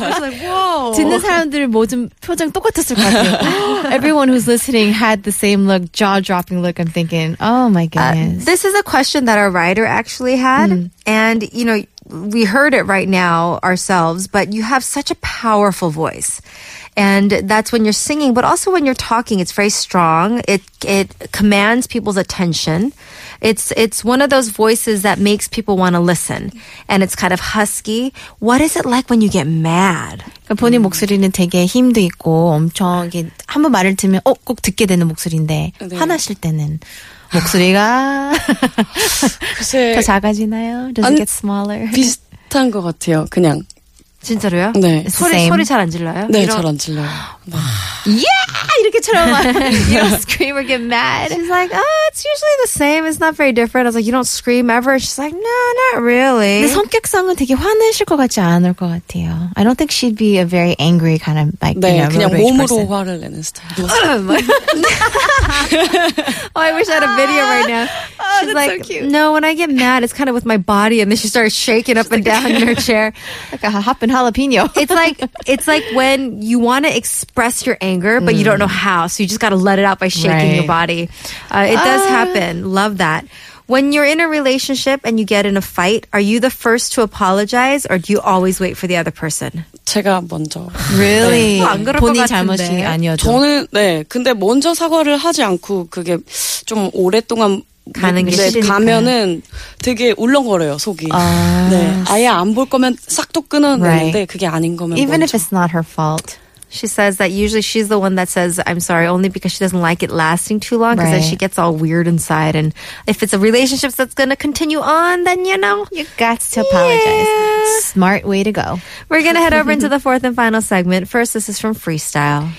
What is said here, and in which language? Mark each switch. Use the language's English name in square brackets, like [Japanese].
[Korean] Like, 듣는 사람들 모든 표정 똑같았을 것 같아요. [English] Everyone who's listening had the same look, jaw-dropping look. I'm thinking, oh my goodness. This is a question that our writer actually had. Mm. And, you know, we heard it right now ourselves, but you have such a powerful voice. And that's when you're singing, but also when you're talking, it's very strong. It commands people's attention. it's one of those voices that makes people want to listen. And it's kind of husky. What is it like when you get mad? [Korean] 본인 목소리는 되게 힘도 있고 엄청 한번 말을 들으면 어, 꼭 듣게 되는 목소리인데 네. 화나실 때는 목소리가 더 작아지나요? [English] Does 안, it get smaller? [Korean] 비슷한 것 같아요. 그냥. 진짜로요? 네. 소리 잘 안 질러요? 네, 잘 안 질러요. 와. Yeah! 이렇게처럼 [English] you don't scream or get mad. She's like, oh, it's usually the same. It's not very different. I was like, you don't scream ever. She's like, no, not really. [Korean] 근데 성격성은 되게 화내실 것 같지 않을 것 같아요. [English] I don't think she'd be a very angry kind of like, [Korean] 네, [English] you know, [Korean] 그냥 몸으로 화를 내는 스타일. [English] Oh, I wish I had a video right now. She's like, so cute. No, when I get mad, it's kind of with my body. And then she starts shaking up and down in her chair. Like a hopping jalapeno. it's like when you want to express your anger, but you don't know how. So you just got to let it out by shaking your body. It does happen. Love that. When you're in a relationship and you get in a fight, are you the first to apologize or do you always wait for the other person? [Korean] 제가 먼저. [English] Really? 네. [Korean] 뭐 안 그럴 본인 것 같은데. 잘못이 아니어도. 저는, 네. 근데 먼저 사과를 하지 않고 그게 좀 오랫동안 가는 게 싫으니까. 가면은 되게 울렁거려요 속이. 아. 네, 아예 안 볼 거면 싹둑 끊었는데 그게 아닌 거면. [English] Even [Korean] 먼저. [English] If it's not her fault, she says that usually she's the one that says I'm sorry only because she doesn't like it lasting too long because then she gets all weird inside. And if it's a relationship that's gonna continue on, then you know you got to apologize. Smart way to go. We're gonna head over into the fourth and final segment. First, this is from Freestyle.